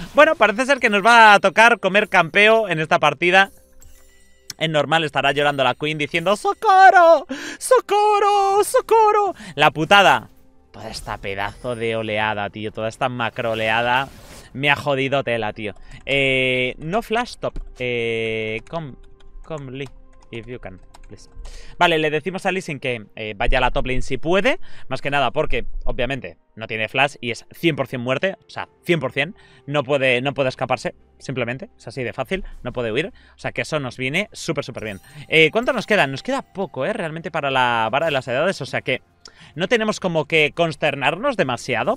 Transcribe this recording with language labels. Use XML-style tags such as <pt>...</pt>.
<es>Bueno, parece ser que nos va a tocar comer campeo en esta partida. Es normal, estará llorando la Queen diciendo ¡socorro! ¡Socorro! ¡Socorro! La putada. Toda esta pedazo de oleada, tío. Toda esta macro oleada me ha jodido tela, tío.</es> <en>No flash top. Come Lee, if you can, please.</en> <es>Vale, le decimos a Lee Sin que vaya a la top lane si puede. Más que nada porque, obviamente, no tiene flash y es 100% muerte. O sea, 100%. No puede escaparse, simplemente. Es así de fácil. No puede huir. O sea, que eso nos viene súper, súper bien. ¿Cuánto nos queda? Nos queda poco, realmente, para la vara de las edades. O sea que no tenemos como que consternarnos demasiado.</es>